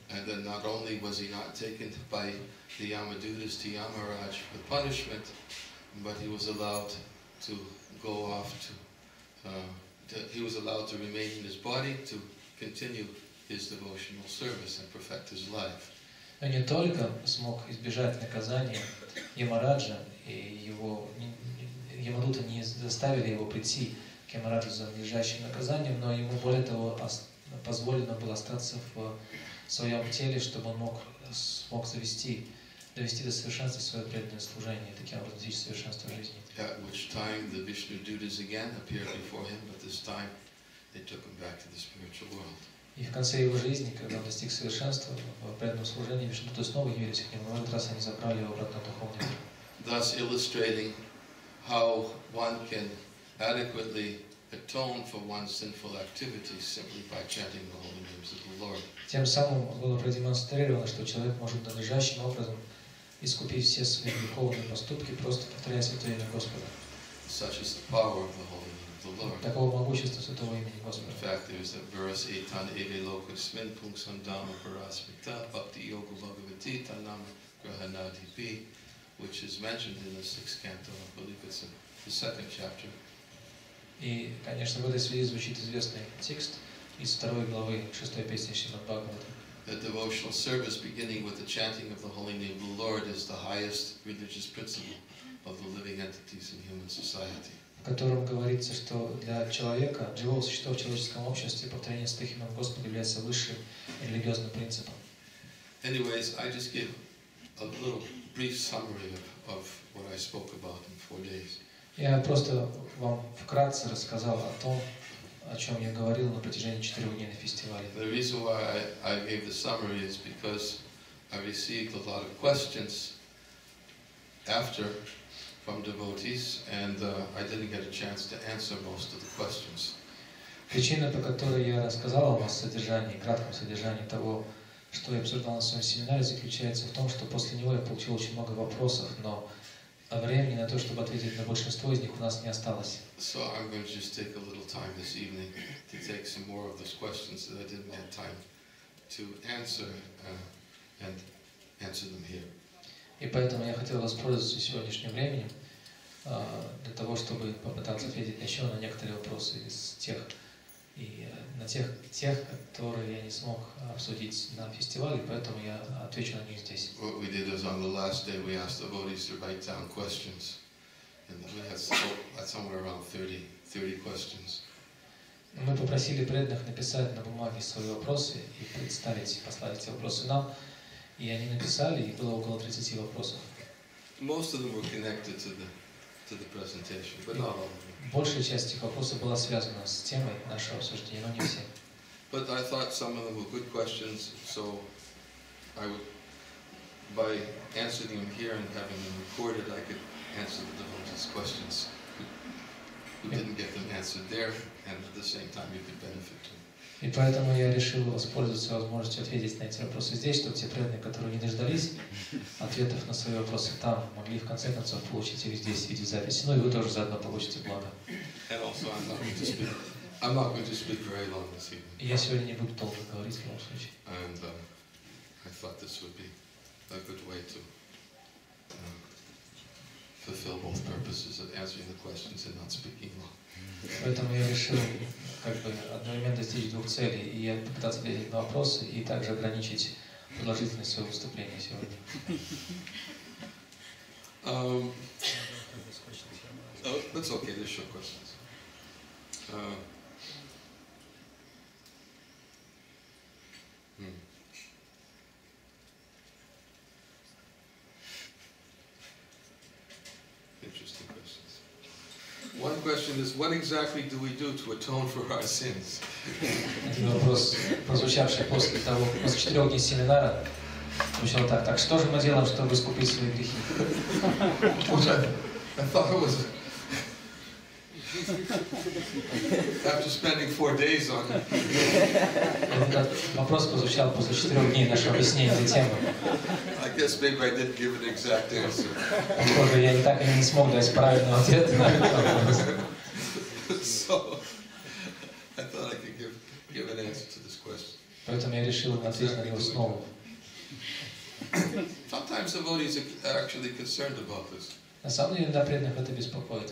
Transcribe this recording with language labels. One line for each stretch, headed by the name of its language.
English: And then not only was he not taken by the Yamadutas to Yamaraj for punishment, but he was allowed to go off to, he was allowed to remain in his body to continue his devotional service and perfect his life.
Russian: И не только смог избежать наказания Ямараджа, и его Ямадута не заставили его прийти к Ямараджу за надлежащим наказанием, но ему более того позволено было остаться в своем теле, чтобы он мог довести до совершенства свое преданное служение, таким образом достичь совершенства жизни.
English: At which time the Vishnudutas again appeared before him, but this time they took him back to the spiritual world.
Russian: И в конце его жизни, когда он достиг совершенства в преданном служении, Вишнудуты снова явились к нему, в этот раз они забрали его обратно в духовный мир.
English: thus illustrating how one can adequately atone for one's sinful activities simply by chanting the holy names of the Lord.
Russian: Тем самым было продемонстрировано, что человек может надлежащим образом искупить все свои греховные поступки, просто повторяя святое имя Господа.
English: Such is the power of the holy name of the Lord.
Russian: Такого могущества святого имени Господа.
English: In fact, there is a verse 8 on
Sanskrit: Eve Lokasmin Punksam Dhamma Parasmita Bhakti Yoga Bhagavati Tanam Grahanadi Bhi,
English: which is mentioned in the sixth canto, I believe it's in the second chapter.
Russian: И, конечно, в этой связи звучит известный текст из второй главы шестой песни Шримад Бхагаватам.
English: The devotional service beginning with the chanting of the holy name of the Lord is the highest religious principle of the living entities in human society.
Russian: В котором говорится, что для человека, живого существа в человеческом обществе, повторение святых имен Господа является высшим религиозным принципом.
English: Anyways, I just give a little brief summary of what I spoke about in 4 days.
Russian: Я просто вам вкратце рассказал о том, о чем я говорил на протяжении 4 дней на фестивале.
English: The reason why I gave the summary is because I received a lot of questions after from devotees, and I didn't get a chance to answer most of the questions.
Russian: Причина, по которой я рассказал вам о содержании, кратком содержании того, что я обсуждал на своем семинаре, заключается в том, что после него я получил очень много вопросов, но а времени на то, чтобы ответить на большинство из них, у нас не осталось.
English: So I'm going to just take a little time this evening to take some more of those questions that I didn't have time to answer, and answer them here.
Russian: И поэтому я хотел воспользоваться сегодняшним временем для того, чтобы попытаться ответить еще на некоторые вопросы из тех и на тех, которые я не смог обсудить на фестивале, поэтому я отвечу на них здесь.
English: What we did was on the last day we asked the devotees to write down questions, and we had somewhere around 30 questions.
Russian: Мы попросили преданных написать на бумаге свои вопросы и послать эти вопросы нам, и они написали, и было около 30 вопросов.
English: Most of them were connected to the presentation, but not all of them.
Russian: Большая часть этих вопросов была связана с темой нашего обсуждения, но не все.
English: But I thought some of them were good questions, so I would, by answering them here and having them recorded, I could answer the devotees' questions who didn't get them answered there, and at the same time you could benefit to them.
Russian: И поэтому я решил воспользоваться возможностью ответить на эти вопросы здесь, чтобы те преданные, которые не дождались ответов на свои вопросы там, могли в конце концов получить их здесь в виде записи. Ну и вы тоже заодно получите благо.
English: And also I'm not going to speak very long this evening.
Russian: Я сегодня не буду долго говорить, в любом случае.
English: And I thought this would be a good way to fulfill both purposes of answering the questions and not speaking long.
Russian: Поэтому я решил как бы одновременно достичь двух целей, и я попытаться ответить на вопросы и также ограничить продолжительность своего выступления сегодня.
English: That's okay, there's short questions. Interesting questions. One question is, what exactly do we do to atone for our sins?
Russian: Один вопрос, прозвучавший после того, после 4 дней семинара, звучал так: так что же мы делаем, чтобы искупить свои грехи?
English: After spending 4 days on it.
Russian: Вопрос прозвучал после 4 дней нашего объяснения этой темы.
English: I guess maybe I didn't give an exact answer.
Russian: Похоже, я так и не смог дать правильный ответ на этот вопрос.
English: So, I thought I could give an answer to this question.
Russian: Поэтому я решил ответить на него снова.
English: Sometimes devotees are actually concerned about this.
Russian: На самом деле, иногда преданных это беспокоит.